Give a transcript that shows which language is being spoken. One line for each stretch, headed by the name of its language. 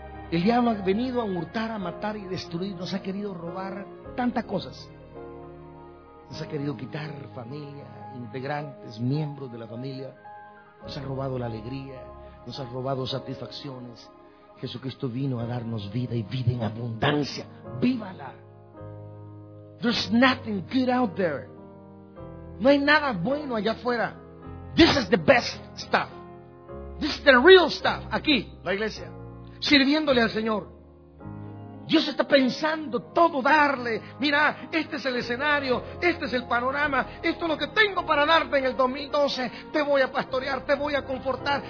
Spanish: El diablo ha venido a hurtar, a matar y destruir, nos ha querido robar tantas cosas. Nos ha querido quitar familia, integrantes, miembros de la familia. Nos ha robado la alegría, nos ha robado satisfacciones. Jesucristo vino a darnos vida y vida en abundancia. ¡Vívala!
English: There's nothing good out there.
Spanish: No hay nada bueno allá afuera.
English: This is the best stuff. This is the real stuff.
Spanish: Aquí, la iglesia. Sirviéndole al Señor. Dios está pensando todo darle. Mira, este es el escenario. Este es el panorama. Esto es lo que tengo para darte en el 2012. Te voy a pastorear. Te voy a confortar.